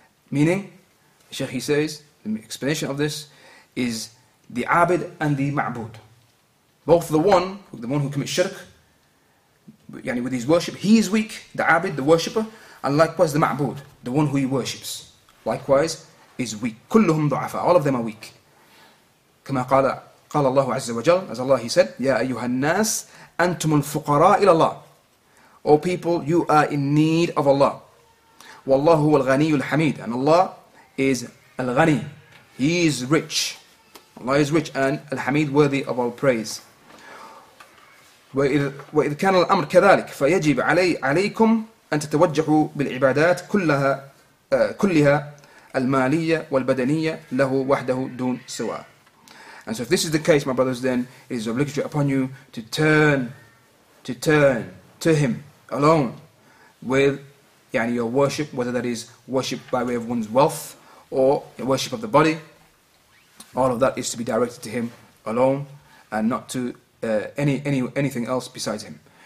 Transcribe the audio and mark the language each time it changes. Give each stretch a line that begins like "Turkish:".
English: Meaning, Sheikh, he says, the explanation of this is the abid and the ma'bud. Both the one who commits shirk, yani with his worship, he is weak, the abid, the worshipper, and likewise the ma'bud, the one who he worships, likewise is weak.
Arabic: كلهم ضعفاء,
English: all of them are weak.
Arabic: كما قال الله عز وجل,
English: as Allah he said,
Arabic: يا أيها الناس أنتم الفقراء إلى الله.
English: O people, you are in need of Allah.
Arabic: والله هو الغني الحميد.
English: And Allah is
Arabic: الغني.
English: He is rich. Allah is rich and الحميد, worthy of all praise.
Arabic: وإذ كان الأمر كذلك فيجب عليكم أن تتوجهوا بالعبادات كلها كلها المالية والبدنية له وحده دون سواه.
English: And so if this is the case, my brothers, then it is obligatory upon you to turn to him alone with
Arabic: يعني,
English: your worship, whether that is worship by way of one's wealth or worship of the body. All of that is to be directed to him alone and not to anything else besides him.